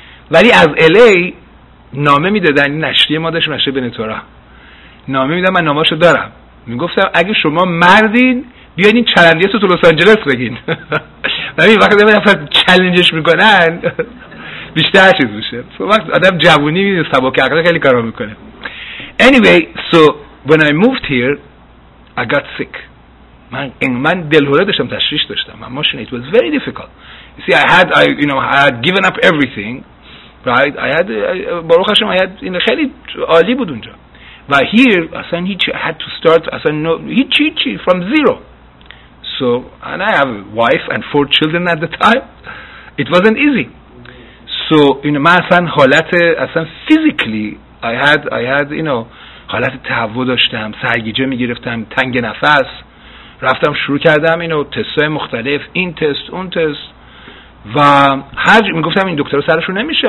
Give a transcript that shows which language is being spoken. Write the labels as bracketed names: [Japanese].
[Persian] ولی از LA نامه میدادن، نشریه ما داشت، نشریه بنتورا. نامه میدادن، من نامه شو دارم. میگفتم اگه شما مردین بیاین این چلنجش رو تو لس آنجلس بگین. ولی وقتی من افتاد چلنجش میکنن بیشتر چیز میشه. وقت آدم جوونی میده سباک عقل خیلی کارا میکنه. [English] Anyway, so when I moved here, I got sick. [Persian] من دلهوره داشتم، تشریش داشتم. من ماشین [English] it was very difficult. You see, I had given up everything. Right? I had [Persian] این خیلی عالی بود اونجا. و [English] here, [Persian] اصلا هیچ [English] I had to start, [Persian] اصلا [English] no, [Persian] هیچ [English] from zero. So, and I have a wife and four children at the time. It wasn't easy. So, you know, [Persian] من اصلا حالت اصلا [English] physically I had, you know, [Persian] حالت تهوع داشتم، سرگیجه میگرفتم، تنگ نفس. رفتم شروع کردم اینو تستای مختلف، این تست، اون تست و هر جایی میگفتم این دکتر سرشو نمیشه.